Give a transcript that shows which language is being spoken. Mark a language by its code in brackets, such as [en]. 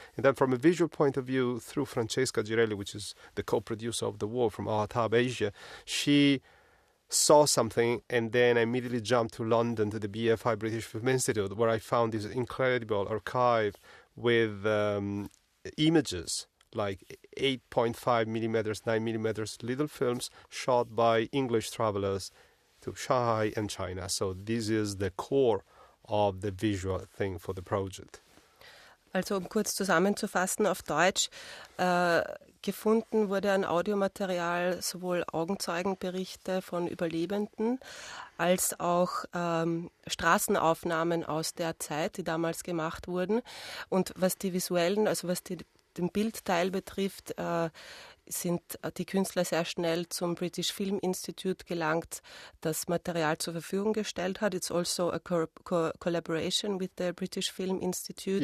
[en] And then from a visual point of view, through Francesca Girelli, which is the co-producer of the work from Art Hub Asia, she saw something, and then I immediately jumped to London to the BFI, British Film Institute, where I found this incredible archive with images, 8.5 millimeters, 9 millimeters, little films shot by English travelers to Shanghai and China. So this is the core of the visual thing for the project. [de] Also um kurz zusammenzufassen auf Deutsch, gefunden wurde ein Audiomaterial, sowohl Augenzeugenberichte von Überlebenden als auch Straßenaufnahmen aus der Zeit, die damals gemacht wurden. Und was die visuellen, also was den Bildteil betrifft, sind die Künstler sehr schnell zum British Film Institute gelangt, das Material zur Verfügung gestellt hat. [en] It's also a collaboration with the British Film Institute,